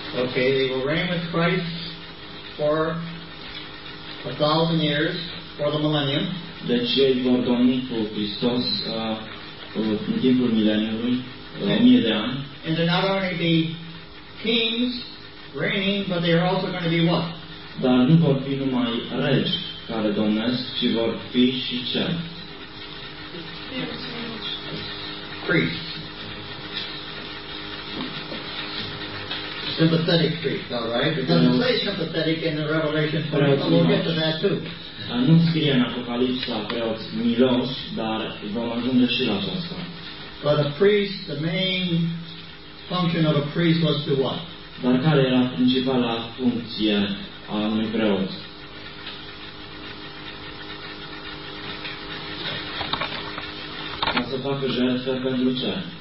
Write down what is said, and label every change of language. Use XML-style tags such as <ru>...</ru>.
<en>Okay, they will reign with Christ for 1,000 years, for the millennium.</en> <ro>Deci ei vor domni cu Hristos în timpul mileniului, 1,000 de ani.</ro> <en>And they're not only be kings reigning, but they are also going to be what?</en> <ro>Dar nu vor fi numai regi care domnesc, ci vor fi și ce?</ro> <en>Priests. Sympathetic priest, all right? It doesn't say sympathetic in the Revelation, but we'll get to that too.</en> <ro>Nu scrie în Apocalipsa preot milos, dar vom ajunge și la aceasta.</ro> <en>But a priest, the main function of a priest was to what?</en> <ro>Dar care era principala funcție a unui preot? Ca să facă jertfe pentru ce?</ro>